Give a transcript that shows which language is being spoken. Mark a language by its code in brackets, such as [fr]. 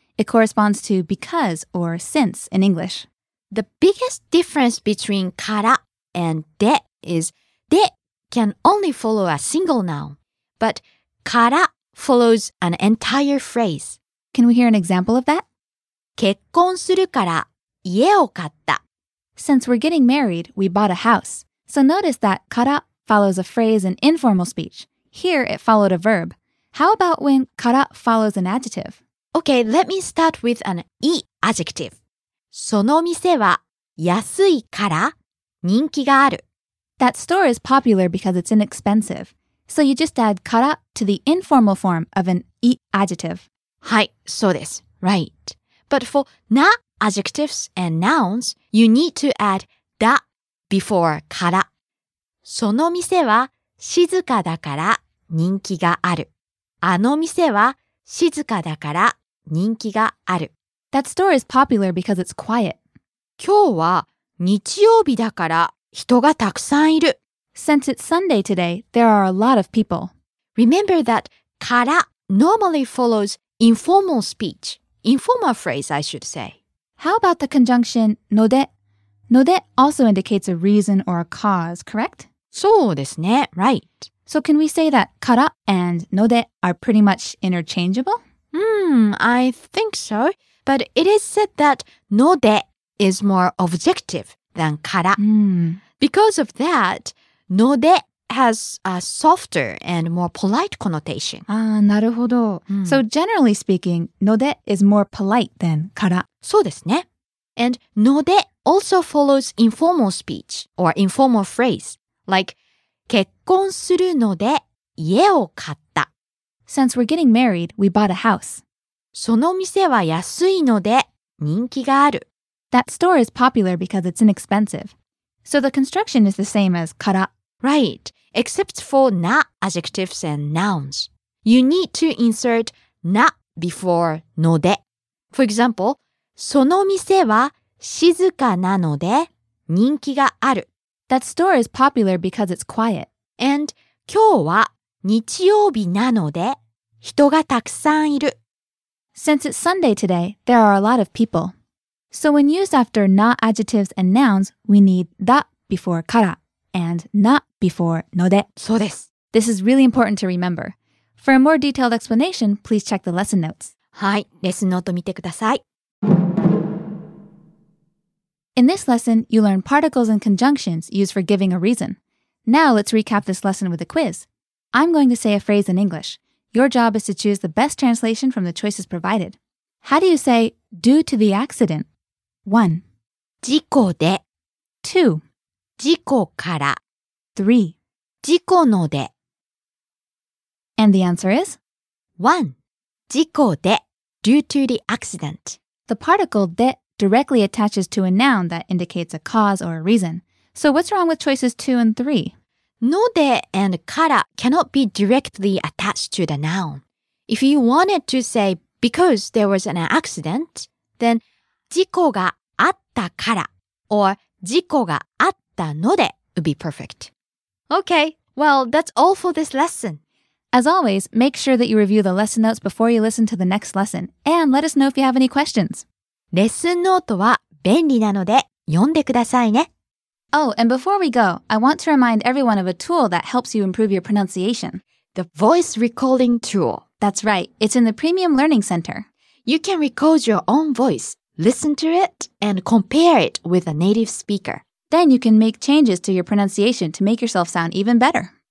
[en] It corresponds to because or since in English. The biggest difference between から and で is で can only follow a single noun, but から follows an entire phrase. Can we hear an example of that? [ja] 結婚するから家を買った。 [en] Since we're getting married, we bought a house. So notice that から follows a phrase in informal speech. Here, it followed a verb. How about when から follows an adjective? Okay, let me start with an い adjective. [ja] その店は安いから人気がある。 [en] That store is popular because it's inexpensive. So you just add からto the informal form of an い adjective. [ja] はい、そうです。 [en] Right. But for な adjectives and nouns, you need to add だ before から。 [ja] その店は静かだから人気がある。あの店は静かだから人気がある。 [en] That store is popular because it's quiet. [ja] 今日は日曜日だから人がたくさんいる。 [en] Since it's Sunday today, there are a lot of people. Remember that から normally follows informal speech, informal phrase, I should say. How about the conjunction ので?ので also indicates a reason or a cause, correct? [ja] そうですね、 [en] right. So can we say that から and ので are pretty much interchangeable? I think so. But it is said that ので is more objective than から. Because of that, ので has a softer and more polite connotation. Ah, [ja] なるほど。 [en] So generally speaking, ので is more polite than から. [ja] そうですね。 [en] And ので also follows informal speech or informal phrase. Like, [ja] 結婚するので家を買った。 [en] Since we're getting married, we bought a house. [ja] その店は安いので人気がある。 [en] That store is popular because it's inexpensive. So the construction is the same as から。 Right, except for な adjectives and nouns. You need to insert な before ので。 For example, [ja] その店は静かなので人気がある。 [en] That store is popular because it's quiet. And [ja] 今日は日曜日なので人がたくさんいる。 [en] Since it's Sunday today, there are a lot of people. So when used after な adjectives and nouns, we need だ before から and な before ので。 [ja] そうです。 [en] This is really important to remember. For a more detailed explanation, please check the lesson notes. [ja] はい、レッスンノート見てください。 [en] In this lesson, you learn particles and conjunctions used for giving a reason. Now let's recap this lesson with a quiz. I'm going to say a phrase in English. Your job is to choose the best translation from the choices provided. How do you say, due to the accident? 1. [ja] 事故で 2. 事故から 3. 事故ので [en] And the answer is? 1. 事故で due to the accident. The particle で directly attaches to a noun that indicates a cause or a reason. So what's wrong with choices 2 and 3? Node and kara cannot be directly attached to the noun. If you wanted to say because there was an accident, then [ja] 事故があったから [en] or [ja] 事故があったので [en] would be perfect. Okay, well, that's all for this lesson. As always, make sure that you review the lesson notes before you listen to the next lesson and let us know if you have any questions. [ja] レッスンノートは便利なので読んでくださいね。 [en] Oh, and before we go, I want to remind everyone of a tool that helps you improve your pronunciation. The voice recording tool. That's right. It's in the Premium Learning Center. You can record your own voice, listen to it, and compare it with a native speaker. Then you can make changes to your pronunciation to make yourself sound even better.